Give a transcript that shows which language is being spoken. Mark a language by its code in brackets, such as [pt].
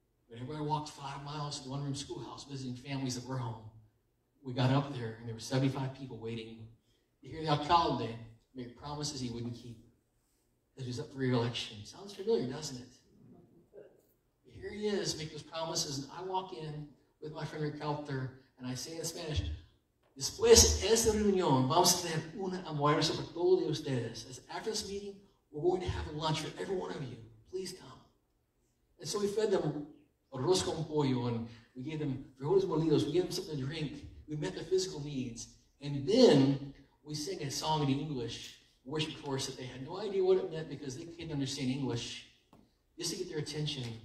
[en] But everybody walked 5 miles to the one room schoolhouse visiting families that were home. We got up there, and there were 75 people waiting to hear the alcalde make promises he wouldn't keep as he was up for re-election. Sounds familiar, doesn't it? But here he is making those promises, and I walk in with my friend Rick Alter. And I say in Spanish, [es] después de esta reunión, vamos a tener una almuerzo para todos de ustedes. [en] After this meeting, we're going to have a lunch for every one of you. Please come. And so we fed them arroz con pollo, and we gave them frijoles molidos, we gave them something to drink, we met their physical needs, and then we sang a song in English, worship chorus that they had no idea what it meant because they couldn't understand English, just to get their attention.